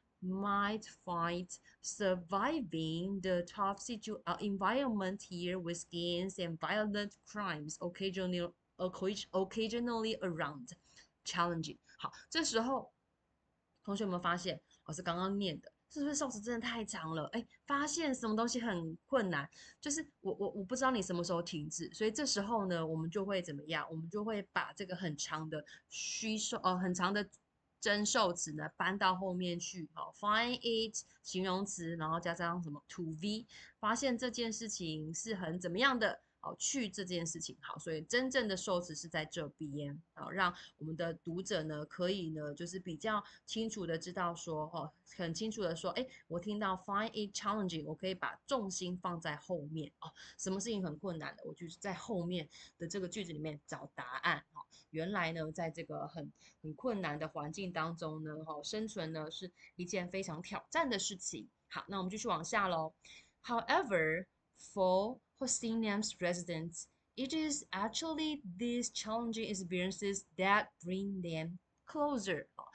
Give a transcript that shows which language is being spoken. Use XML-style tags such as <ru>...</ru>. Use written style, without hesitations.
<en>Might find surviving the tough environment here with gangs and violent crimes occasionally around challenging。</en> <zh>好，这时候同学有没有发现，老师刚刚念的，是不是受词真的太长了？哎，发现什么东西很困难，就是我不知道你什么时候停止，所以这时候呢，我们就会怎么样？我们就会把这个很长的虚受，很长的。真受词呢，搬到后面去，好，find it 形容词，然后加上什么 to be，发现这件事情是很怎么样的，好，去这件事情，好，所以真正的受词是在这边，好，让我们的读者呢可以呢，就是比较清楚的知道说，哦，很清楚的说，哎，我听到 find it challenging，我可以把重心放在后面，哦，什么事情很困难的，我就是在后面的这个句子里面找答案，好。原来呢，在这个很困难的环境当中呢，生存呢是一件非常挑战的事情。好，那我们继续往下喽。</zh> <en>However, for Hosseinim's residents, it is actually these challenging experiences that bring them closer.</en>